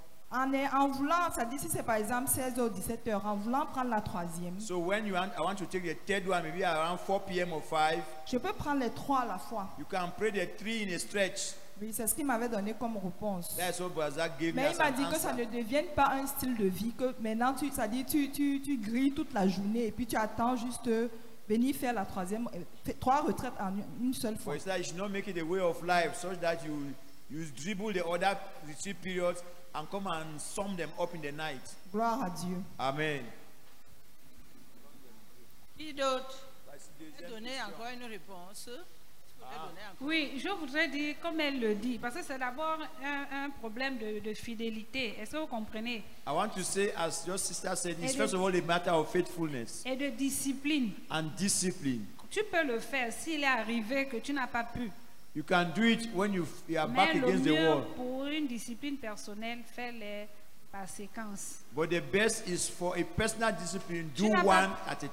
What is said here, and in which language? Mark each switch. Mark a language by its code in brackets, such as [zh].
[fr] en voulant, ça dit si c'est par exemple 16h ou 17h, en voulant prendre la troisième, [en] so when I want to take the third one maybe around 4 p.m. or 5, [fr] je peux prendre les trois à la fois. [en] You can pray the three in a stretch. [fr] Oui, c'est ce qu'il m'avait donné comme réponse. [en] That's what Brother gave. [fr] Mais [en] me [fr] il m'a dit [en] answer. [fr] Que ça ne devienne pas un style de vie, que maintenant tu, ça dit tu grilles toute la journée et puis tu attends juste venir faire la troisième, trois retraites en une seule fois. [en] Well, you should not make it a way of life such that you dribble the other retreat periods and come and sum them up in the night. [fr] Gloire à Dieu. [en] Amen. [fr] Qui d'autre? Donner encore une réponse. Oui, je voudrais dire comme elle le dit, parce que c'est d'abord un problème de fidélité. Est-ce que vous comprenez? [en] I want to say, as your sister said, it's first of all a matter of faithfulness. [fr] Et de discipline. [en] And discipline. [fr] Tu peux le faire s'il est arrivé que tu n'as pas pu. [en] You can do it when you are back against the wall. [fr] Mais le mieux pour une discipline personnelle, fais les par séquence. [en] But the best is for a personal discipline, do one at a time.